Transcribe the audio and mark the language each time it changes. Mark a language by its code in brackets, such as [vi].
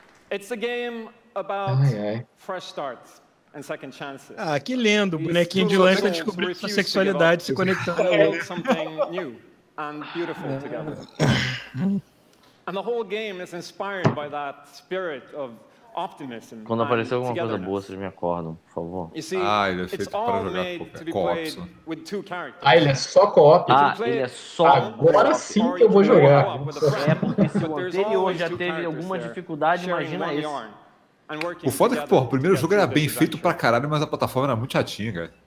[en] It's a game about fresh starts and second chances. [pt] Ah, que lindo. O bonequinho de lanche tá descobrindo sua sexualidade, se conectando. [en] Something new and beautiful together. And the whole game is inspired by that spirit of optimism. [pt] Quando aparecer alguma coisa boa, vocês me acordam, por favor. Ah, ele é feito para jogar co-op. Ah, ele é só co-op. Agora sim que eu vou jogar. É porque se o anterior já teve alguma dificuldade, imagina esse. O foda é que, porra, o primeiro jogo era bem feito pra caralho, mas a plataforma era muito chatinha, cara.